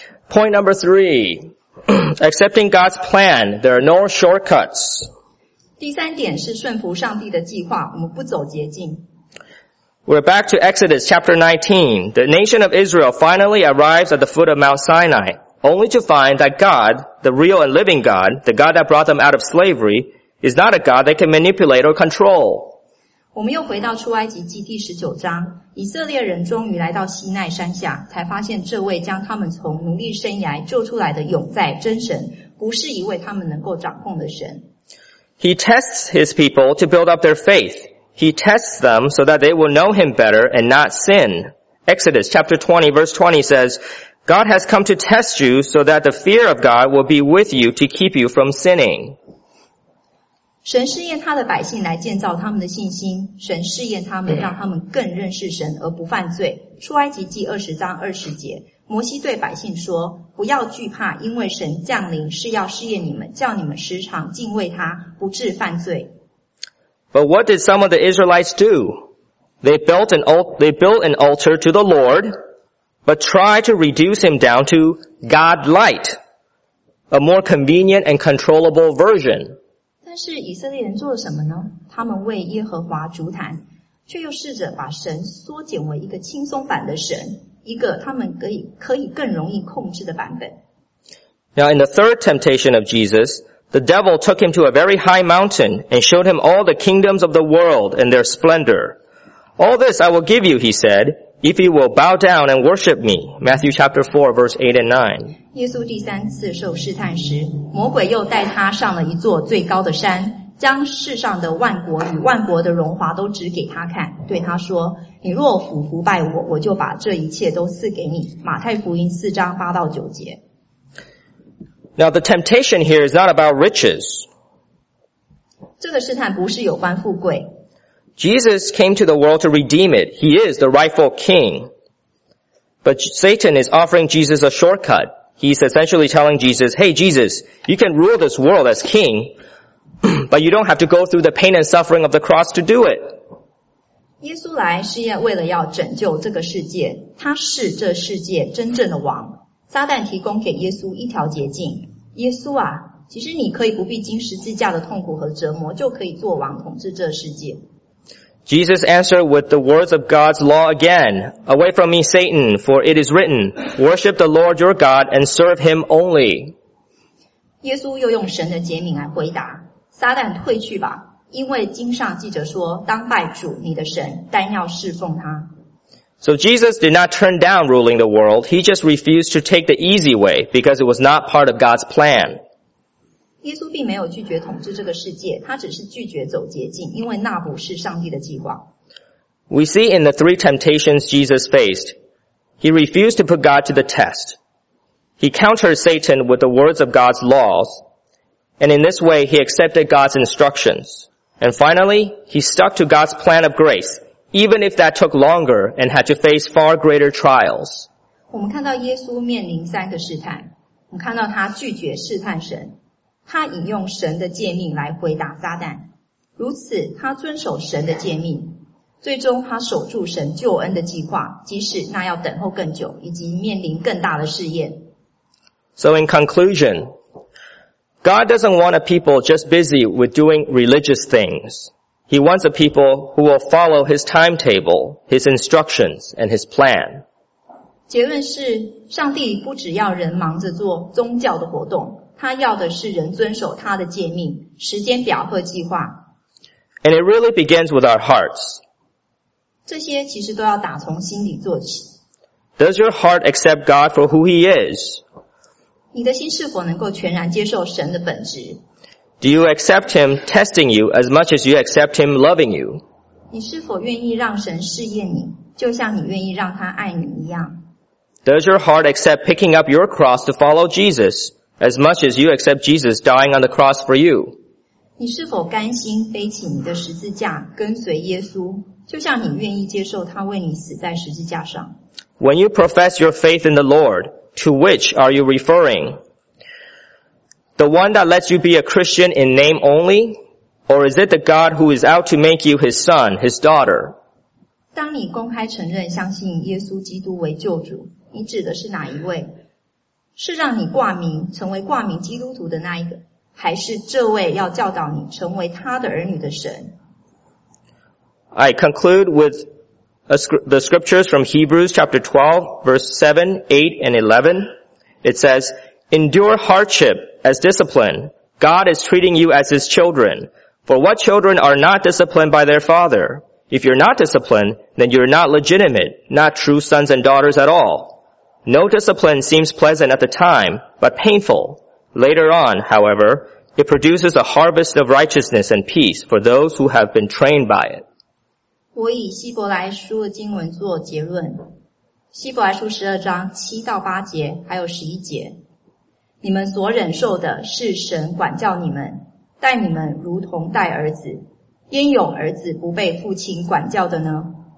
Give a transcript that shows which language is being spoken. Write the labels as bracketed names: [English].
[English] Point number three, accepting God's plan, there are no shortcuts. [Chinese] 第三点是顺服上帝的计划，我们不走捷径。 [English] We're back to Exodus chapter 19. The nation of Israel finally arrives at the foot of Mount Sinai. Only to find that God, the real and living God, the God that brought them out of slavery, is not a God they can manipulate or control. [Chinese] 我们又回到出埃及记第十九章，以色列人终于来到西奈山下，才发现这位将他们从奴隶生涯救出来的永在真神，不是一位他们能够掌控的神。 [English] He tests his people to build up their faith. He tests them so that they will know him better and not sin. Exodus chapter 20 verse 20 says,God has come to test you so that the fear of God will be with you to keep you from sinning. [Chinese] 神试验他的百姓来建造他们的信心，神试验他们让他们更认识神而不犯罪。出埃及记二十章二十节，摩西对百姓说，不要惧怕，因为神降临是要试验你们，叫你们时常敬畏他，不致犯罪。 [English] But what did some of the Israelites do? They built an altar to the Lord,but try to reduce him down to God light, a more convenient and controllable version. [Chinese] 但是以色列人做了什么呢？他们为耶和华筑坛，却又试着把神缩减为一个轻松版的神，一个他们可以更容易控制的版本。 [English] Now in the third temptation of Jesus, the devil took him to a very high mountain and showed him all the kingdoms of the world and their splendor. All this I will give you, he said,If you will bow down and worship me, Matthew chapter 4, verse 8 and 9. [Chinese] 耶稣第三次受试探时，魔鬼又带他上了一座最高的山，将世上的万国与万国的荣华都指给他看，对他说，你若俯伏拜我，我就把这一切都赐给你。马太福音四章八到九节。 [English] Now the temptation here is not about riches. [Chinese] 这个试探不是有关富贵。 [English] Jesus came to the world to redeem it. He is the rightful king. But Satan is offering Jesus a shortcut. He's essentially telling Jesus, hey Jesus, you can rule this world as king, but you don't have to go through the pain and suffering of the cross to do it. [Chinese] 耶稣来是为了要拯救这个世界，他是这世界真正的王。撒旦提供给耶稣一条捷径，耶稣啊，其实你可以不必经十字架的痛苦和折磨，就可以做王统治这世界。 [English] Jesus answered with the words of God's law again, Away from me, Satan, for it is written, Worship the Lord your God and serve him only. [Chinese] 耶稣又用神的诫命来回答，撒旦退去吧，因为经上记着说，当拜主你的神，单要侍奉他。 [English] So Jesus did not turn down ruling the world, he just refused to take the easy way because it was not part of God's plan. [Chinese] 耶稣并没有拒绝统治这个世界，他只是拒绝走捷径，因为那不是上帝的计划。 [English] We see in the three temptations Jesus faced, he refused to put God to the test. He countered Satan with the words of God's laws, and in this way he accepted God's instructions. And finally, he stuck to God's plan of grace. Even if that took longer and had to face far greater trials. [Chinese] 我们看到耶稣面临三个试探，我们看到他拒绝试探神，他引用神的诫命来回答撒旦，如此他遵守神的诫命，最终他守住神救恩的计划，即使那要等候更久，以及面临更大的试验。 [English] So in conclusion, God doesn't want a people just busy with doing religious things. He wants a people who will follow his timetable, his instructions, and his plan. [Chinese] 结论是，上帝不只要人忙着做宗教的活动，他要的是人遵守他的诫命、时间表和计划。 [English] And it really begins with our hearts. [Chinese] 这些其实都要打从心里做起。 [English] Does your heart accept God for who he is? [Chinese] 你的心是否能够全然接受神的本质？ [English] Do you accept him testing you as much as you accept him loving you? [Chinese] 你是否愿意让神试验你，就像你愿意让他爱你一样？ [English] Does your heart accept picking up your cross to follow Jesus as much as you accept Jesus dying on the cross for you? [Chinese] 你是否甘心背起你的十字架跟随耶稣，就像你愿意接受他为你死在十字架上？ [English] When you profess your faith in the Lord, to which are you referring? The one that lets you be a Christian in name only? Or is it the God who is out to make you his son, his daughter? [Chinese] 当你公开承认相信耶稣基督为救主，你指的是哪一位？是让你挂名，成为挂名基督徒的那一个，还是这位要教导你成为他的儿女的神？ [English] I conclude with the scriptures from Hebrews chapter 12, verse 7, 8, and 11. It says, Endure hardship. As discipline, God is treating you as his children. For what children are not disciplined by their father? If you're not disciplined, then you're not legitimate, not true sons and daughters at all. No discipline seems pleasant at the time, but painful. Later on, however, it produces a harvest of righteousness and peace for those who have been trained by it. [Chinese] 我以希伯来书的经文做结论。希伯来书十二章七到八节，还有十一节。你们所忍受的是神管教你们，待你们如同待儿子，焉有儿子不被父亲管教的呢？